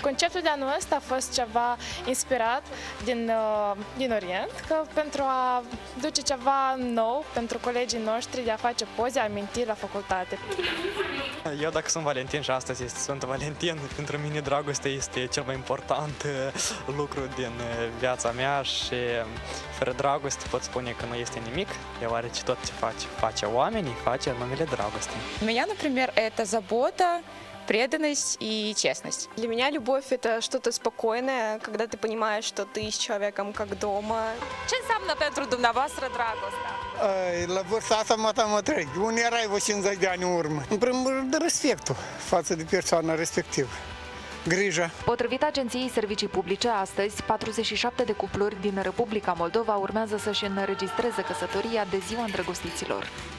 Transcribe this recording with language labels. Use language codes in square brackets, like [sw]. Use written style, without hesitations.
[ro] Conceptul de anul ăsta a fost ceva inspirat din Orient, că pentru a duce ceva nou pentru colegii noștri de a face poze, amintiri la facultate. Eu, dacă sunt Valentin și astăzi este Sfânt Valentin, pentru mine dragoste este cel mai important lucru din viața mea și fără dragoste pot spune că nu este nimic, deoarece tot ce face oamenii, face în numele dragostei. [ru] Меня, например, это забота, преданность и честность. Для меня любовь — это что-то спокойное, когда ты понимаешь, что ты с человеком как дома. [ro] Ce înseamnă pentru dumneavoastră dragostea? La vârsta asta mă tam atrag. Unii erai 50 de ani în urmă. În primul rând, respectul față de persoana respectivă. Grijă. Potrivit Agenției Servicii Publice, astăzi, 47 de cupluri din Republica Moldova urmează să-și înregistreze căsătoria de ziua îndrăgostiților.